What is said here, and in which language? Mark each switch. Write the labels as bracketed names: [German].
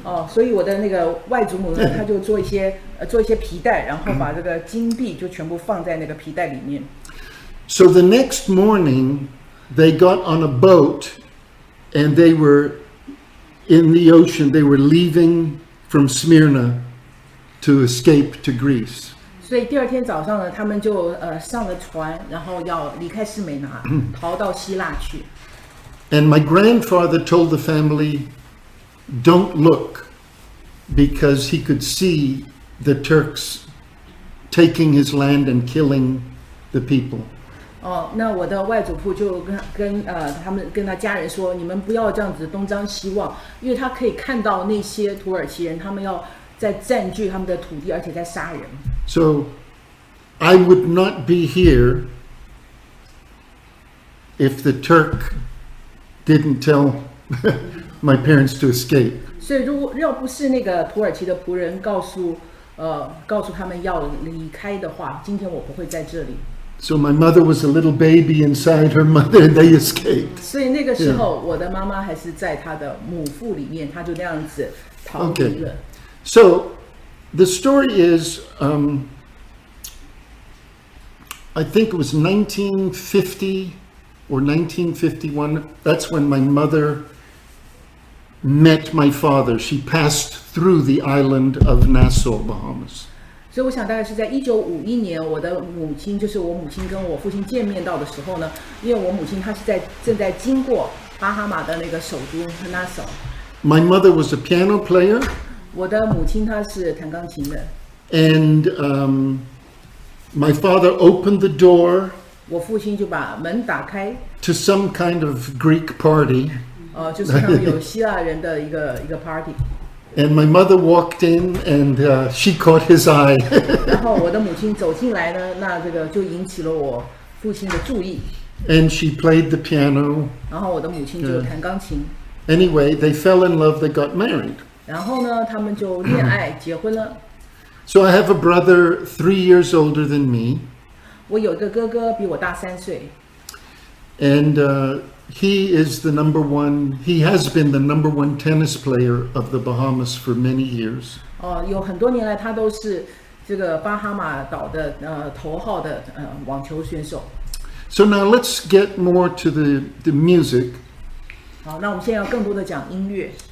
[Chinese] 所以我的那个外祖母呢，他就做一些。做一些皮带，然后把这个金币就全部放在那个皮带里面。 [English] So the next morning, they got on a boat, and they were in the ocean. They were leaving from Smyrna to escape to Greece. [Chinese] 所以第二天早上呢，他们就上了船，然后要离开士美拿，逃到希腊去。 [English] And my grandfather told the family, "Don't look," because he could see. The Turks taking his land and killing the people. [Chinese] 那我的外祖父就跟他家人说，你们不要这样子东张西望，因为他可以看到那些土耳其人，他们要在占据他们的土地，而且在杀人。 [English] So, I would not be here if the Turk didn't tell my parents to escape. [Chinese] 所以，要不是那个土耳其的仆人告诉他们要离开的话，今天我不会在这里。 [English] So my mother was a little baby inside her mother, and they escaped. [Chinese] 所以那个时候，我的妈妈还是在她的母腹里面，她就那样子逃离了。 [English] So the story is, I think it was 1950 or 1951. That's when my mother met my father. She passed. Through the island of Nassau, Bahamas. So, I think, [Chinese] 大概是在1951年，我的母亲，就是我母亲跟我父亲见面到的时候呢，因为我母亲她是在正在经过巴哈马的那个首都 Nassau. [English] My mother was a piano player. [Chinese] 我的母亲她是弹钢琴的。 [English] And my father opened the door [Chinese] 我父亲就把门打开 [English] to some kind of Greek party. [Chinese] 就是他们有希腊人的一个 party. [English] And my mother walked in and she caught his eye. [Chinese] 然后我的母亲走进来呢那这个就引起了我父亲的注意。 [English] And she played the piano. [Chinese] 然后我的母亲就弹钢琴。 [English] Anyway, they fell in love, they got married. [Chinese] 然后呢他们就恋爱结婚了。 [English] So I have a brother 3 years older than me. [Chinese] 我有一个哥哥比我大3岁。 [English] And he is the number one, he has been the number one tennis player of the Bahamas for many years. [Chinese] 有很多年来他都是这个巴哈马岛的头号的网球选手。 [English] So now let's get more to the music. [Chinese] 好，那我们现在要更多的讲音乐。